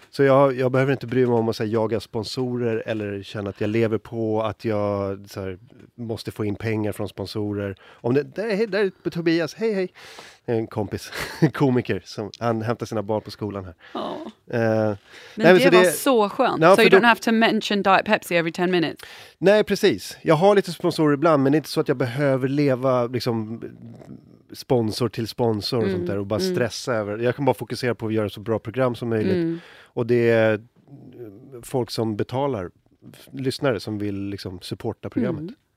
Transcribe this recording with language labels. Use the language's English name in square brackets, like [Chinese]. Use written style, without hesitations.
[Swedish] Så jag behöver inte bry mig om att så här, jaga sponsorer eller känna att jag lever på att jag så här, måste få in pengar från sponsorer. Om det, där är Tobias, hej hej. En kompis, komiker, som han hämtar sina barn på skolan här. Ja. Men det var så skönt. [English] No, so you don't have to mention Diet Pepsi every 10 minutes. [Swedish] Nej, precis. Jag har lite sponsorer ibland, men det är inte så att jag behöver leva liksom... sponsor till sponsor och sånt där och bara stressa över. Jag kan bara fokusera på att göra så bra program som möjligt. Mm. Och det är folk som betalar, lyssnare som vill liksom supporta programmet. Mm.